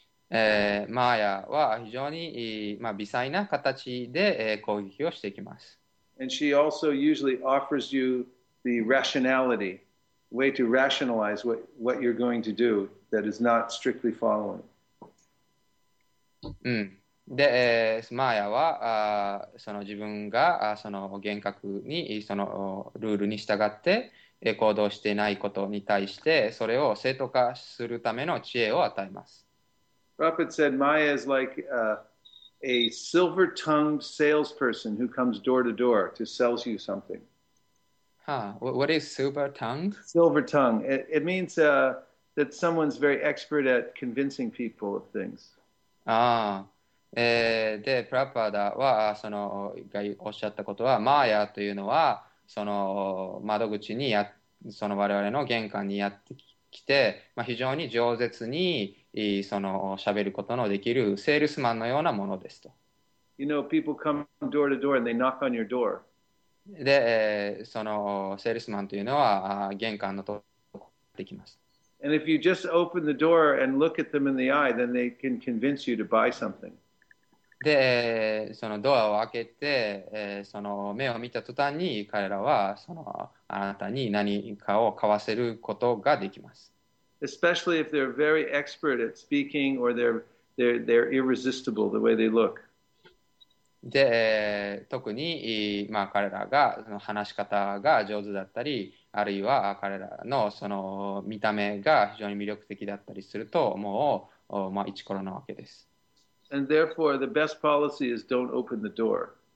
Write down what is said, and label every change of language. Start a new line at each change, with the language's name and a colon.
Japanese: Maya は非常に、まあ、微細な形で、攻撃をしていきます。
English: And she also usually offers you the rationality, way to rationalize what you're going to do that is not strictly following. うん。
Japanese: で、マーヤは、その自分が、その厳格に、そのルールに従って、行動していないことに対して、それを正当化するための知恵を与えます。
English: Prabhupada said Maya is like a silver-tongued salesperson who comes door to door to sell you something. Huh. What is silver-tongued? Silver-tongued. It means that someone's very expert at convincing people of things. Ah.
Japanese: で、Prabhupada はそのがおっしゃったことは、Maya というのはその窓口にその我々の玄関にやってきて、まあ、非常に饒舌にその喋ることのできるセールスマンのようなものですと。
English: You know, people come door to door and they knock on your door.
Japanese: で、そのセールスマンというのは玄関のところにできます。
English: And if you just open the door and look at them in the eye, then they can convince you to buy something.
Japanese: で、そのドアを開けて、その目を見た途端に彼らはそのあなたに何かを買わせることができます。
English: Especially if they're very expert at speaking or they're irresistible the way they look.
Japanese: で、特に、まあ、彼らが話し方が上手だったり、あるいは彼らのその見た目が非常に魅力的だったりすると、もう、まあ、一頃なわけです。
English: And therefore, the best policy is don't open the door.